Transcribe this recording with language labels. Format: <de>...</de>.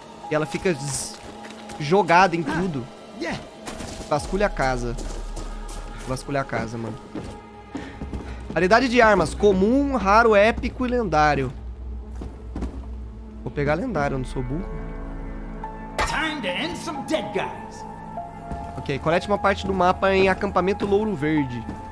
<pt>E ela fica jogada em tudo. Vasculha a casa. Vasculha a casa, mano. Variedade de armas. Comum, raro, épico e lendário. Vou pegar lendário, eu não sou burro.</pt> <en>Time to end some dead guys.</en> <pt>Ok, colete uma parte do mapa em acampamento Louro Verde.</pt>